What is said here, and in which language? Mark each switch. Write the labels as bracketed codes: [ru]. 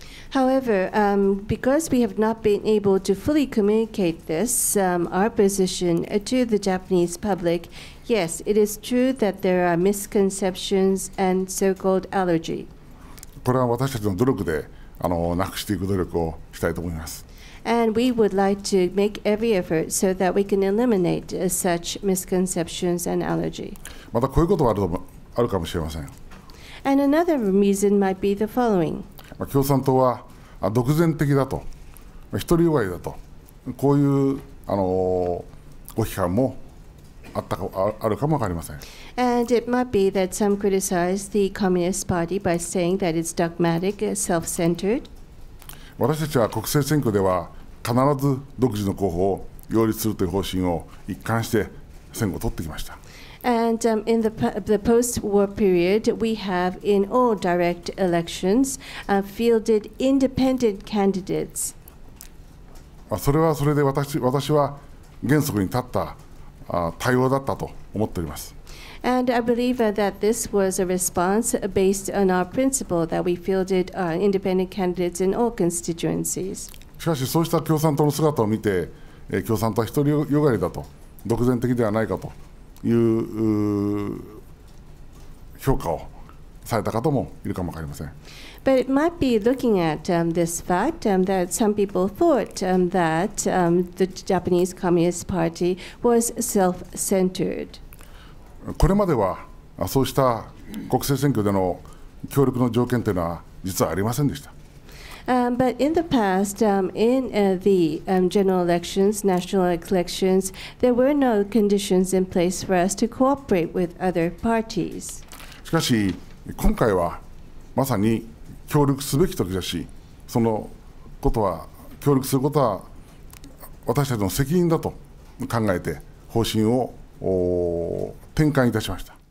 [en] However, because we have not been able to fully communicate this, our position to the Japanese public, yes, it is true that there are misconceptions and so-called allergy. [ja] これは私たちの努力でなくしていく努力をしたいと思います。 [en] And we would like to make every effort so that we can eliminate such misconceptions and allergy. [ja] またこういうことはあるかもしれません。 [en] And another reason might be the following. [ja] 共産党は独善的だと、一人弱いだと、こういうご批判もあるかもわかりません。 [en] And it might be that some criticize the Communist Party by saying that it's dogmatic, self-centered. [ja] 私たちは国政選挙では必ず独自の候補を擁立するという方針を一貫して選挙を取ってきました。 [en] And in the post-war period, we have in all direct elections fielded independent candidates. [ja] それはそれで私は原則に立った対応だったと思っております。 [en] And I believe that this was a response based on our principle that we fielded independent candidates in all constituencies. [ja] しかしそうした共産党の姿を見て、共産党は独りよがりだと、独善的ではないかという評価をされた方もいるかもわかりません。 [en] But it might be looking at this fact that some people thought that the Japanese Communist Party was self-centered. [ja] これまではそうした国政選挙での協力の条件というのは実はありませんでした。 [en] But in the past, in the general elections, national elections, there were no conditions in place for us to cooperate with other parties. [ja] しかし今回はまさに協力すべき時だし、そのことは協力することは私たちの責任だと考えて方針を転換いたしました。